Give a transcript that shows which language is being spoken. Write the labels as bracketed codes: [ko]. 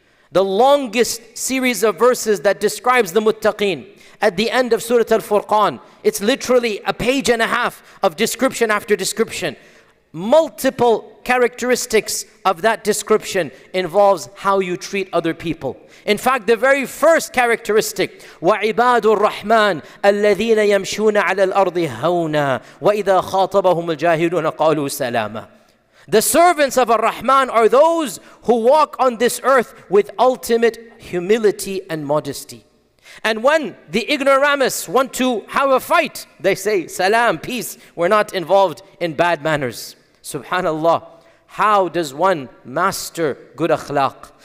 [en] The longest series of verses that describes the muttaqin at the end of Surah Al-Furqan, it's literally a page and a half of description after description. Multiple characteristics of that description involves how you treat other people. In fact, the very first characteristic, [ar] وَعِبَادُ الرَّحْمَانِ الَّذِينَ يَمْشُونَ عَلَى الْأَرْضِ هَوْنًا وَإِذَا خَاطَبَهُمُ الْجَاهِلُونَ قَالُوا سَلَامًا. [en] The servants of Ar-Rahman are those who walk on this earth with ultimate humility and modesty. And when the ignoramus want to have a fight, they say, salam, peace, we're not involved in bad manners. Subhanallah, how does one master good akhlaq?